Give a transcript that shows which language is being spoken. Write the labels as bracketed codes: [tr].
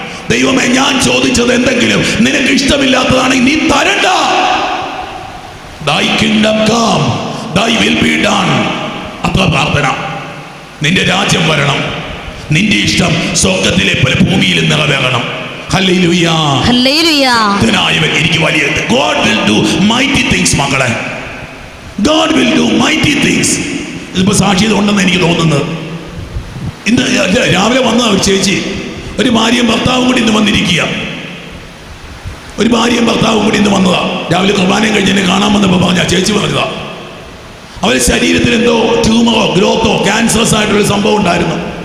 [ml] ദൈവമേ, ഞാൻ ചോദിച്ചത് എന്തെങ്കിലും നിനക്ക് ഇഷ്ടമില്ലാത്തതാണെങ്കിൽ നീ തരണ്ട. [en] Thy kingdom come, thy will be done. [ml] അത്ര പ്രാർത്ഥന. നിന്റെ രാജ്യം വരണം, നിന്റെ ഇഷ്ടം സ്വർഗത്തിലെ പോലെ ഭൂമിയിലും നിറവേറണം. ഹല്ലേലൂയാ, ഹല്ലേലൂയാ. ശക്തനായവൻ എനിക്ക് വലിയ. [en] God will do mighty things മക്കളെ. God will do mighty things. [ml] ഇപ്പൊ സാക്ഷി ഇതുണ്ടെന്ന് എനിക്ക് തോന്നുന്നത്. ഇന്ന് രാവിലെ വന്ന ഒരു ചേച്ചി, ഒരു ഭാര്യയും ഭർത്താവും കൂടി ഇന്ന് വന്നിരിക്കുക. ഒരു ഭാര്യയും ഭർത്താവും കൂടി ഇന്ന് വന്നതാ. രാവിലെ കുർബാനയും കഴിഞ്ഞ് എന്നെ കാണാൻ വന്നപ്പോ പറഞ്ഞാ ചേച്ചി പറഞ്ഞതാ, അവര് ശരീരത്തിൽ എന്തോ ട്യൂമറോ ഗ്രോത്തോ ക്യാൻസറസ് ആയിട്ടൊരു സംഭവം ഉണ്ടായിരുന്നു.